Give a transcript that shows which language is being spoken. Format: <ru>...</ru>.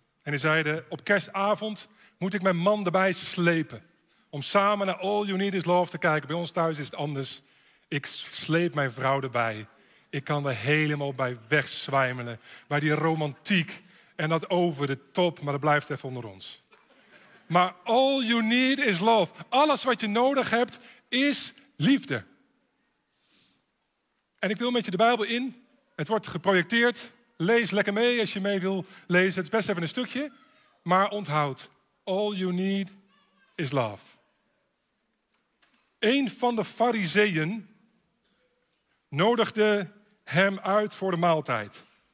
<nl>En die zeiden, op kerstavond moet ik mijn man erbij slepen. Om samen naar All You Need Is Love te kijken. Bij ons thuis is het anders. Ik sleep mijn vrouw erbij. Ik kan er helemaal bij wegzwijmelen. Bij die romantiek. En dat over de top. Maar dat blijft even onder ons.</nl> <en>Maar all you need is love.</en> <nl>Alles wat je nodig hebt is liefde. En ik wil met je de Bijbel in. Het wordt geprojecteerd. Lees lekker mee als je mee wil lezen. Het is best even een stukje. Maar onthoud.</nl> <en>All you need is love.</en> <nl>Een van de fariseeën nodigde hem uit voor de maaltijd.</nl>